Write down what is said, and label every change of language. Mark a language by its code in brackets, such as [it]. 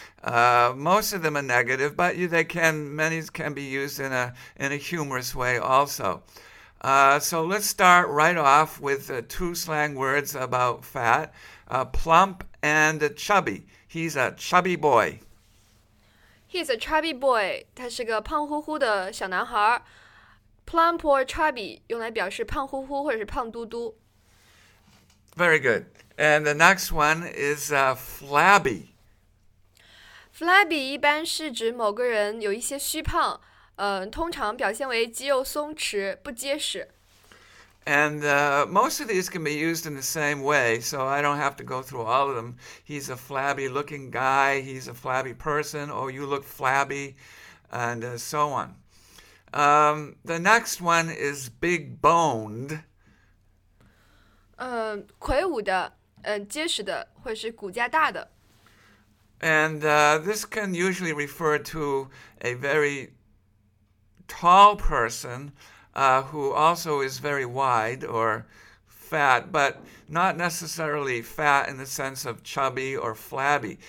[en] Most of them are negative, but many can be used in a humorous way also. So let's start right off with two slang words about fat, plump and chubby. He's a chubby boy. He's a chubby boy. [zh] 他是个胖乎乎的小男孩。 [en] Plump or chubby [zh] 用来表示胖乎乎或者是胖嘟嘟。 [en] Very good. And the next one is flabby. [zh] Flabby 一般是指某个人有一些虚胖，通常表现为肌肉松弛，不结实。 [en] And most of these can be used in the same way, so I don't have to go through all of them. He's a flabby-looking guy, he's a flabby person, or you look flabby, and so on. The next one is big-boned. [zh] 魁梧的，结实的，或是骨架大的。 [en] And this can usually refer to a very tall person, who also is very wide or fat, but not necessarily fat in the sense of chubby or flabby.